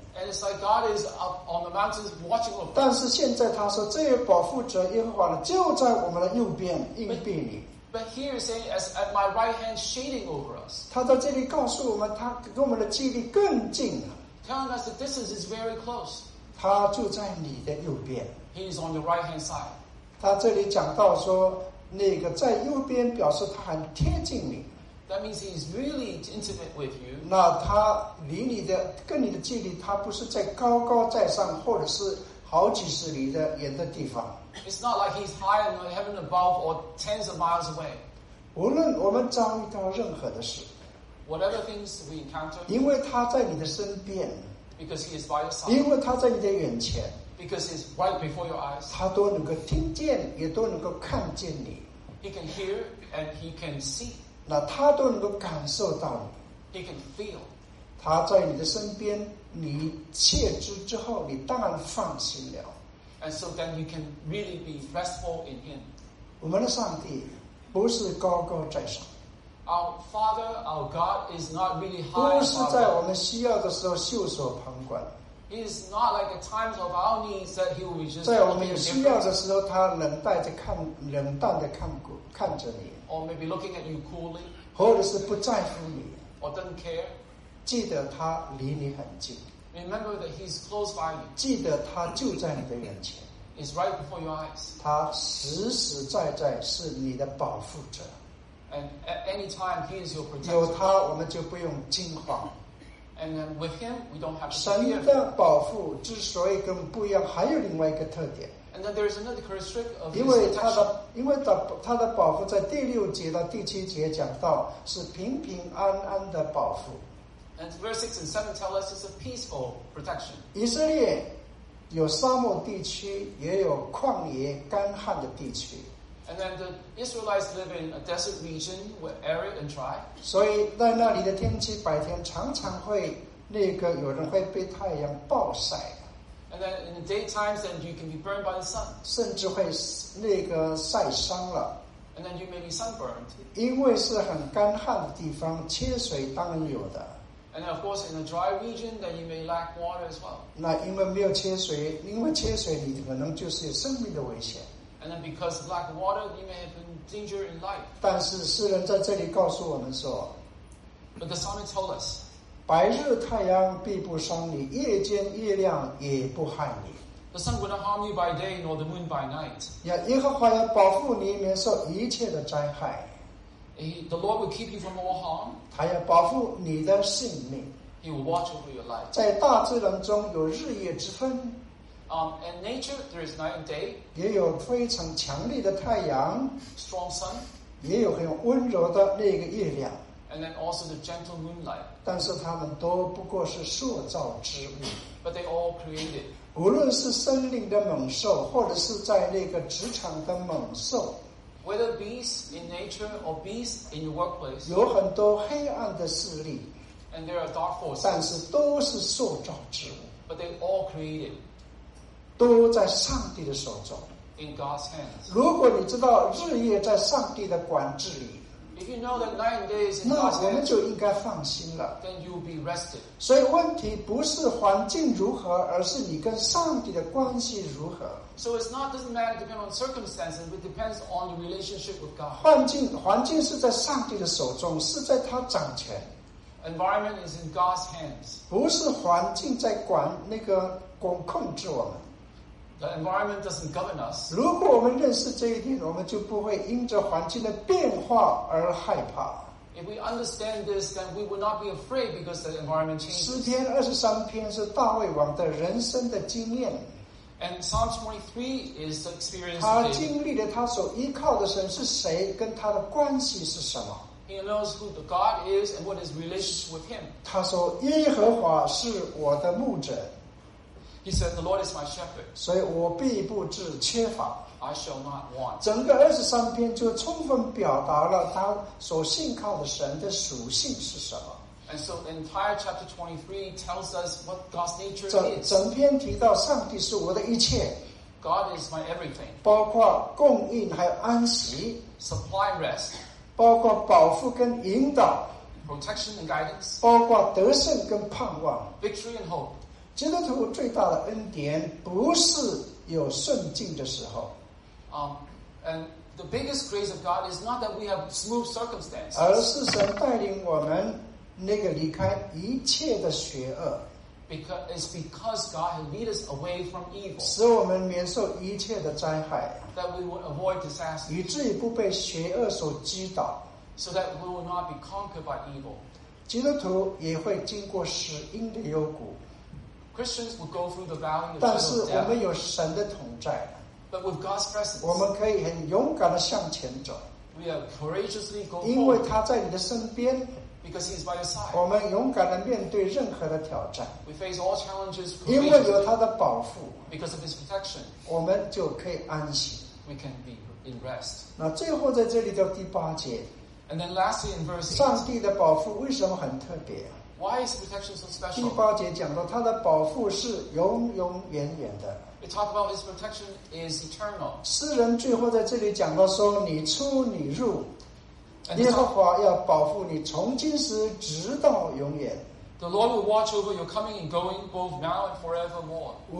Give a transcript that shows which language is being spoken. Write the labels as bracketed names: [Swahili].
[English] And it's like God is up on the mountains watching over us. [Chinese] 但是现在他说，这位保护者耶和华就在我们的右边，应庇你。 [English] But here he's saying, as at my right hand shading over us. [Chinese] 他到这里告诉我们, 他跟我们的距离更近, [English] telling us the distance is very close. [Chinese] 他住在你的右边, [English] he is on your right hand side. [Chinese] 他这里讲到说, 那个在右边表示他很贴近你, [English] that means he is really intimate with you. [Chinese] 那他离你的, 跟你的距离, 他不是在高高在上, 或者是好几十里的远的地方。 [English] It's not like he's high in heaven above or tens of miles away. [Chinese] 无论我们遭遇到任何的事, [English] whatever things we encounter, [Chinese] 因为他在你的身边, [English] because he is by your side, [Chinese] 因为他在你的眼前, [English] because he's right before your eyes, [Chinese] 他都能够听见, 也都能够看见你, [English] he can hear and he can see, [Chinese] 那他都能够感受到你, [English] he can feel, [Chinese] 他在你的身边, 你切知之后, 你当然放心了, [English] and so then you can really be restful in him. [Chinese] 我们的上帝不是高高在上, [English] our Father, our God, is not really high on us. He is not like the times of our needs that he will be just looking at you. Or maybe looking at you coolly. [Chinese] 或者是不在乎你, [English] or doesn't care. [Chinese] 记得他离你很近, [English] remember that he's close by you. [Chinese] 记得他就在你的眼前, [English] is right before your eyes. [Chinese] 他实实在在是你的保护者, [English] and at any time he is your protector. [Chinese] 有他我们就不用惊慌, [English] and then with him we don't have to fear. [Chinese] 神的保护之所以跟不一样, 还有另外一个特点, [English] and then there is another characteristic of his protection. [Chinese] 因为他的保护在第六节到第七节讲到是平平安安的保护, [English] and verse 6 and 7 tell us it's a peaceful protection. [Chinese] 以色列 有沙漠地区, 也有旷野, 干旱的地区, [English] and then the Israelites live in a desert region with arid and dry. [Chinese] 所以在那里的天气, 白天常常会, 那个有人会被太阳暴晒, [English] and then in the daytime then you can be burned by the sun. [Chinese] 甚至会那个晒伤了, [English] and then you may be sunburned. [Chinese] 因为是很干旱的地方, 缺水当然有的, [English] and of course, in a dry region, then you may lack water as well. [Chinese] 那因为没有缺水, 因为缺水, 你可能就是有生命的危险, [English] and then because of lack of water, you may have been danger in life. [Chinese] 但是诗人在这里告诉我们说, [English] but the psalmist told us, [Chinese] 白日太阳必不伤你, 夜间月亮也不害你, [English] the sun will not harm you by day, nor the moon by night. [Chinese] 耶和华要保护你, 免受一切的灾害, [English] the Lord will keep you from all harm. [Chinese] 他要保护你的性命, [English] he will watch over your life. [Chinese] 在大自然中有日夜之分, [English] and nature there is night and day. [Chinese] 也有非常强烈的太阳, [English] strong sun. [Chinese] 也有很温柔的那个月亮, [English] and then also the gentle moonlight. [Chinese] 但是他们都不过是塑造之物, [English] but they all created. [Chinese] 无论是森林的猛兽, 或者是在那个职场的猛兽, [English] whether beasts in nature or beasts in your workplace, [Chinese] 有很多黑暗的势力, [English] and there are dark forces, [Chinese] 但是都是塑造之物, [English] but they all created, [Chinese] 都在上帝的手中, [English] in God's hands. [Chinese] 如果你知道日夜在上帝的管制里, [English] if you know that night and day is in God's hands, [Chinese] 那我们就应该放心了, [English] then you will be rested. [Chinese] 所以问题不是环境如何, 而是你跟上帝的关系如何。 [English] So it's not, doesn't matter, depend on circumstances, but depends on the relationship with God. [Chinese] 环境是在上帝的手中, 是在他掌权。 [English] Environment is in God's hands. [Chinese] 不是环境在管那个控制我们。 [English] The environment doesn't govern us. [Chinese] 如果我们认识这一点, 我们就不会因着环境的变化而害怕。 [English] If we understand this, then we will not be afraid because the environment changes. [Chinese] 诗篇23篇是大卫王的人生的经验。 [English] And Psalm 23 is the experience of him. He knows who the God is and what his relationship with him. [Chinese] 他说, [English] he said, the Lord is my shepherd. [Chinese] 所以我必不致缺乏, [English] I shall not want. [Chinese] 整个23篇就充分表达了他所信靠的神的属性是什么。 [English] And so the entire chapter 23 tells us what God's nature [Chinese] 整篇提到上帝是我的一切, [English] God is my everything, [Chinese] 包括供应还有安息, [English] supply rest, [Chinese] 包括保护跟引导, [English] protection and guidance, [Chinese] 包括得胜跟盼望, [English] victory and hope. [Chinese] 基督徒最大的恩典不是有顺境的时候, [English] and The biggest grace of God is not that we have smooth circumstances. [Chinese] 而是神带领我们那个离开一切的邪恶。 [English] Because it's because God has led us away from evil. [Chinese] 使我们免受一切的灾害, [English] that we will avoid disaster. [Chinese] 以至于不被邪恶所击倒, [English] so that we will not be conquered by evil. [Chinese] 基督徒也会经过死荫的幽谷, [English] Christians will go through the valley of shadow of death. [Chinese] 但是我们有神的同在, [English] but with God's presence, [Chinese] 我们可以很勇敢地向前走, [English] we are courageously go forward. [Chinese] 因为他在你的身边, [English] because he is by your side. [Chinese] 我们勇敢地面对任何的挑战, [English] we face all challenges courageously. [Chinese] 因为有他的保护, [English] because of his protection, [Chinese] 我们就可以安息, [English] we can be in rest. [Chinese] 那最后在这里叫第八节, [English] and then lastly in verse 8, [Chinese] 上帝的保护为什么很特别? [English] Why is protection so special? [Chinese] 第八节讲到他的保护是永永远远的, [English] we talk about his protection is eternal. [Chinese] 诗人最后在这里讲到说你出你入, 耶和华要保护你从今时直到永远, [English] the Lord will watch over your coming and going both now and forevermore.